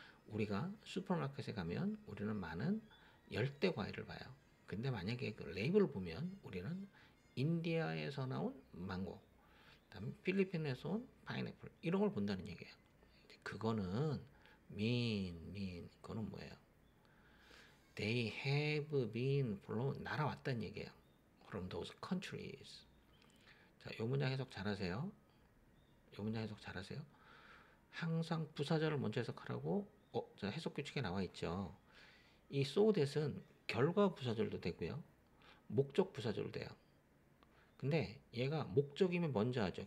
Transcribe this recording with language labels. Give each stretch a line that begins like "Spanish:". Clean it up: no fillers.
Korean: 우리가 슈퍼마켓에 가면 우리는 많은 열대 과일을 봐요. 근데 만약에 그 레이블을 보면 우리는 인디아에서 나온 망고, 그다음 필리핀에서 온 파인애플 이런 걸 본다는 얘기예요. 그거는
English: mean.
Korean: 그거는 뭐예요?
English: They have been flown,
Korean: 날아왔단 얘기예요.
English: From those countries.
Korean: 자, 요 문장 해석 잘하세요. 요 문장 해석 잘하세요. 항상 부사절을 먼저 해석하라고 해석 규칙에 나와 있죠. 이 so that은 결과 부사절도 되고요. 목적 부사절도 돼요. 근데 얘가 목적이면 먼저 하죠.